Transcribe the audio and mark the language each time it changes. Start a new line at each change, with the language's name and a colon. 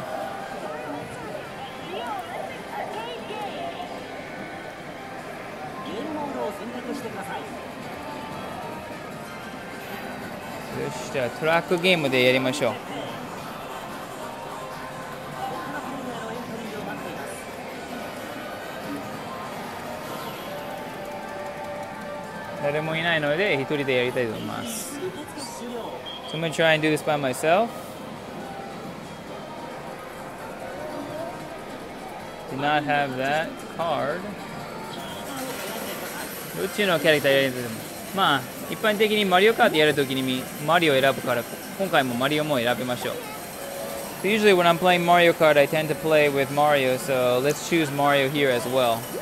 Japanese: よし、じゃあトラックゲームでやりましょう。誰もいないので一人でやりたいと思います。
English: So I'm going to try and do this by myself. Do not have that card.
Japanese: どっちのキャラクターやりたいと思います。まあ一般的にマリオカートやるときにマリオを選ぶから今回もマリオも選びましょう。
English: So usually when I'm playing Mario Kart I tend to play with Mario, so let's choose Mario here as well.